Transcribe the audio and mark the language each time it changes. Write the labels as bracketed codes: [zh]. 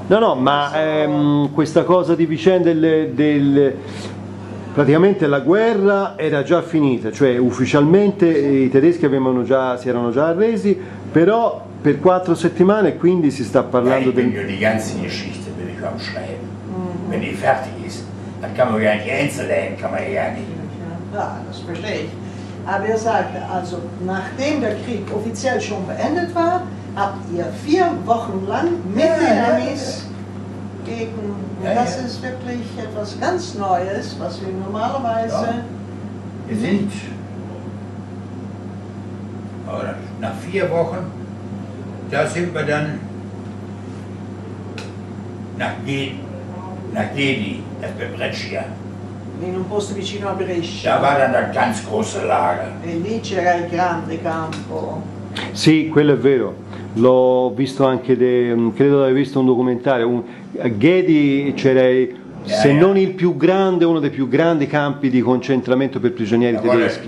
[it] No, no, ma questa cosa di vicende del... Praticamente la guerra era già finita, cioè ufficialmente i tedeschi avevano già, si erano già arresi, però per 4 settimane quindi si sta parlando del... Io di [de] ganze geschichte [it] devi qua scrivere. [de] Wenn die fertig ist, dann kann man ja nicht einzeln, kann man ja nicht. Ja, das verstehe ich. Aber er sagte, also nachdem der Krieg offiziell schon beendet war, habt ihr 4 Wochen lang mit den Amis gegen... Ja, das ist wirklich etwas ganz Neues, was wir normalerweise... Ja. Wir sind... Aber nach 4 Wochen, da sind wir dann nach Gehen. La Gedi, das bei Brescia. [it] In un posto vicino a Brescia. [de] Da war dann ein ganz großes Lager. [it] E lì c'era il grande campo. Sì, quello è vero. L'ho visto anche, credo di aver visto un documentario. A Gedi c'era, se non il più grande, uno dei più grandi campi di concentramento per prigionieri tedeschi.